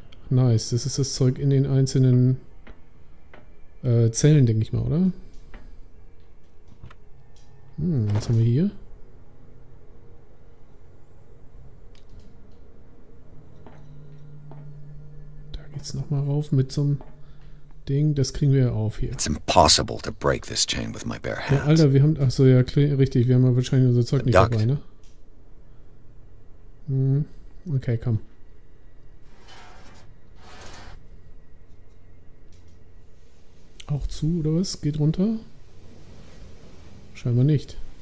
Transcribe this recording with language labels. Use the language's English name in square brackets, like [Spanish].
[German] Nice, das ist das Zeug in den einzelnen Zellen, denke ich mal, oder? Hm, was haben wir hier? Noch mal rauf mit so einem Ding, das kriegen wir ja auf hier. [English] It's impossible to break this chain with my bare hands. [German] Ja, Alter, wir haben, achso, ja, richtig, wir haben ja wahrscheinlich unser Zeug nicht dabei, ne? Hm, okay, komm. Auch zu, oder was? Geht runter? Scheinbar nicht.